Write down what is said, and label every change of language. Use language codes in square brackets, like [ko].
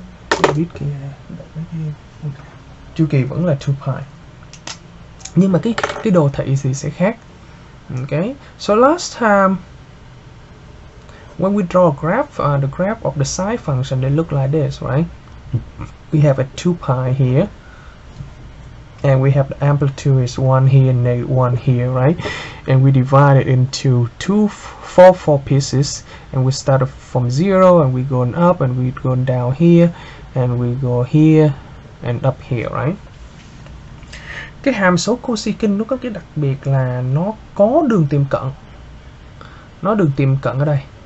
[vi] biết cái này chu kỳ vẫn là 2π, nhưng mà cái đồ thị thì sẽ khác. [en] Ok, so last time when we draw a graph, the graph of the sine function, they look like this, right? We have a 2π here, and we have the amplitude is 1 here and 1 here, right? And we divide it into 4 pieces, and we start from 0, and we go up, and we go down here, and we go here, and up here, right? [vi] Cái hàm số cosecant nó có cái đặc biệt là nó có đường tiệm cận. Nó đường tiệm cận ở đây.